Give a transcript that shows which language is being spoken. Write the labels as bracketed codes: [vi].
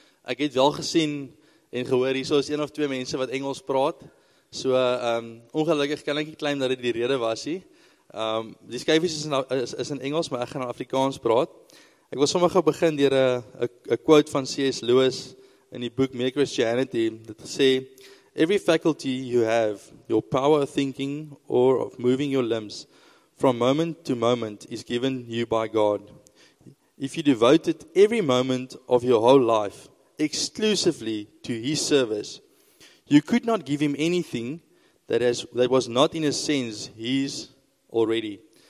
[af] Ek het wel gesien en gehoor, hierso is een of twee mense wat Engels praat. So, ongelukkig kan ek nie claim dat dit die rede was nie. Die skyfies is in Engels, maar ek gaan Afrikaans praat. Ek wil sommer gou begin deur 'n quote van C.S. Lewis in die boek Mere Christianity. [en] Dit sê, every faculty you have, your power of thinking or of moving your limbs, from moment to moment is given you by God. If you devote it every moment of your whole life, exclusively to his service, you could not give him anything that was not in a sense his already.